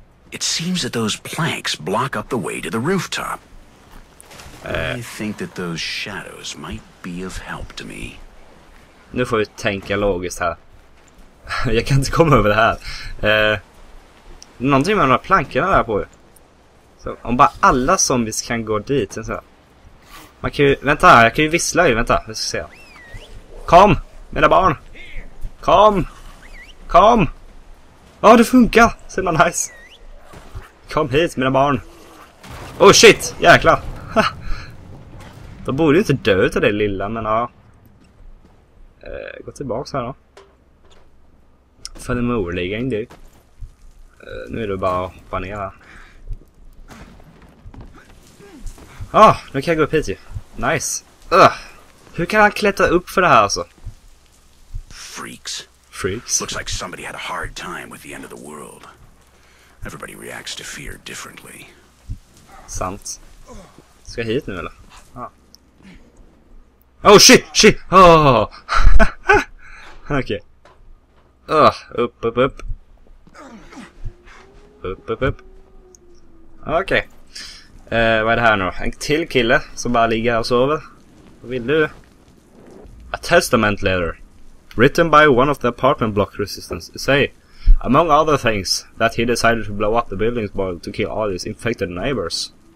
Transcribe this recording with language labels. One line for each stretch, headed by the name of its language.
English: It seems that those planks block up the way to the rooftop. I think that those shadows might be of help to me.
Swedish: Nu får vi tänka logiskt här. Jag kan inte komma över det här. Någonting med de här plankorna där på. Så om bara alla zombies kan gå dit så. Man kan ju, vänta här, jag kan ju vissla ju, vänta, vi ska se. Kom, mina barn. Kom! Ja, det funkar! Ser man nice! Kom hit, mina barn!
English: Oh shit!
Swedish: Jäklar! De borde ju inte dö utav det lilla, men ja... Gå tillbaks här då. För det möjliga inte. Nu är det bara att hoppa ner här. Ah, nu kan jag gå upp hit ju. Nice! Hur kan han klättra upp för det här alltså?
English: Freaks. Freaks. Looks like somebody had a hard time with the end of the world. Everybody reacts to fear differently.
Swedish: Sant. Ska hit nu eller? Ja.
English: Oh, shit! Oh!
Swedish: Okej. Okay. Upp. Okej. Okay. Vad är det här nu? En till kille som bara ligger här och sover. Vad vill du?
English: A testament letter. Written by one of the apartment block resistance. Say, among other things, that he decided to blow up the building's boil to kill all his infected neighbors.